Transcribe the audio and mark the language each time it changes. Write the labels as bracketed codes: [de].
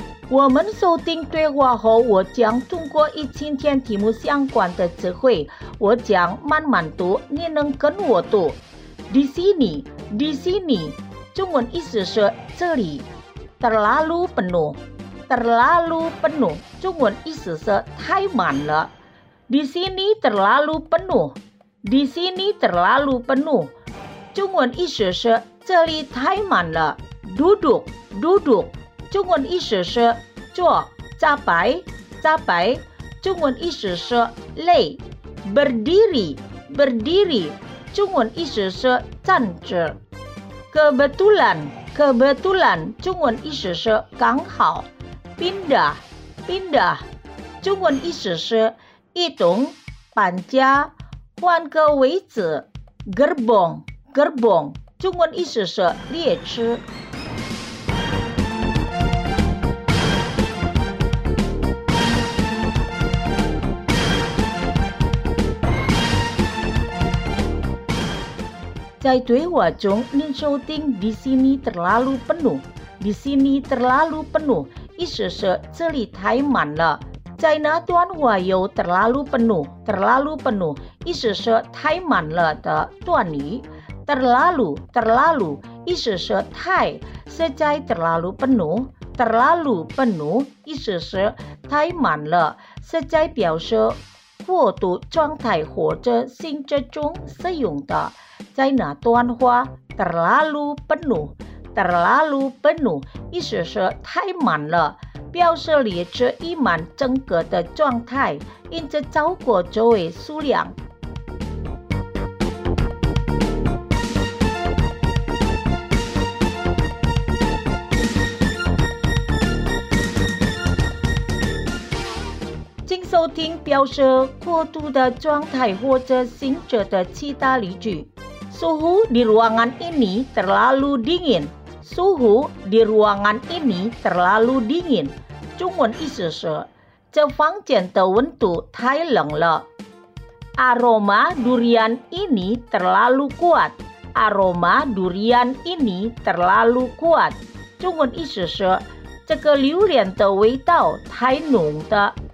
[zh] 我们收听对话后，我将通过与今天题目相关的词汇，我将慢慢读，你能跟我读。 [id] Di sini, di sini, [zh] 中文意思是这里。 [id] Terlalu penuh, terlalu penuh, [zh] 中文意思是太满了。 [id] Di sini terlalu penuh, di sini terlalu penuh, [zh] 中文意思是这里太满了。 [id] Duduk, duduk. [zh] 中文意思是坐，扎白，扎白。中文意思是累 ， [id] berdiri， berdiri。 [zh] 中文意思是站着。 [id] Kebetulan， kebetulan。 [zh] 中文意思是刚好。 [id] Pindah， pindah。 [zh] 中文意思是移动，搬家，换个位置。 [id] Gerbong， gerbong。 [zh] 中文意思是列车。在对话中，您收听 [id] di sini terlalu penuh， [zh] di sini terlalu penuh， 意思是这里太满了。在那段话有 [id] terlalu penuh， terlalu penuh， [zh] 意思是太满了的段语。 [id] terlalu， terlalu， [zh] 意思是太，实在 [id] terlalu penuh， terlalu penuh， [zh] 意思是太满了，实在表示过度状态或者性质中使用的。在那段话 [id] terlalu penuh， terlalu penuh， [zh] 意思是太满了，表示列车已满整个的状态，因此超过座位数量。请收听表示过度的状态或者行者的其他例句。 [id] Suhu di ruangan ini terlalu dingin. Suhu di ruangan ini terlalu dingin. [zh] 中文意思是，这房间的温度太冷了。 [id] Aroma durian ini terlalu kuat. Aroma durian ini terlalu kuat. [zh] 中文意思是，这个榴莲的味道太浓的。